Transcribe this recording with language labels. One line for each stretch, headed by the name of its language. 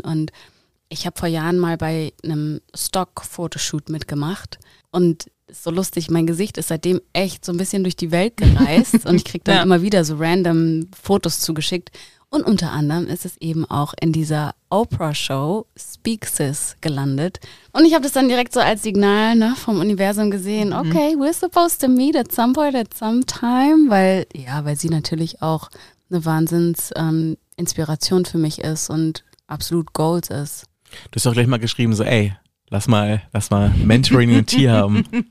German: Und ich habe vor Jahren mal bei einem Stock-Fotoshoot mitgemacht und ist so lustig, mein Gesicht ist seitdem echt so ein bisschen durch die Welt gereist und ich kriege dann immer wieder so random Fotos zugeschickt. Und unter anderem ist es eben auch in dieser Oprah-Show Speak Sis gelandet. Und ich habe das dann direkt so als Signal ne, vom Universum gesehen.
English: Okay, we're supposed to meet at some point, at some time.
German: Weil, ja, weil sie natürlich auch eine Wahnsinns Inspiration für mich ist und absolut Gold ist. Du hast auch gleich mal geschrieben so, ey, lass mal Mentoring und Tea haben.